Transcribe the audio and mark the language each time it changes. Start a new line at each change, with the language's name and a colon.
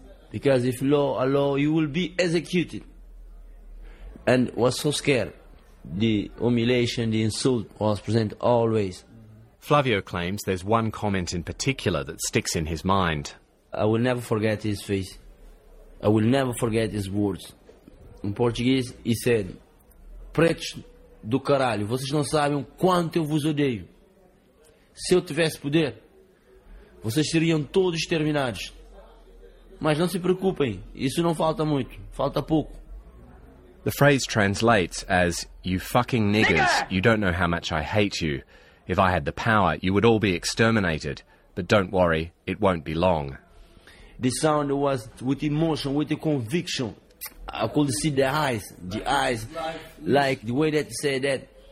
English: Because if law allow, you will be executed. And was so scared. The humiliation, the insult was present always. Flavio claims there's one comment in particular that sticks in his mind. I will never forget his face. I will never forget his words. In Portuguese, he said,
Portuguese: "Preto do caralho, vocês não sabem quanto eu vos odeio. Se eu tivesse poder, vocês seriam todos exterminados. Mas não se preocupem, isso não falta muito, falta pouco."
English: The phrase translates as, "You fucking niggers, you don't know how much I hate you. If I had the power, you would all be exterminated. But don't worry, it won't be long." The sound was with emotion, with the conviction. I could see the eyes, like the way that he said that.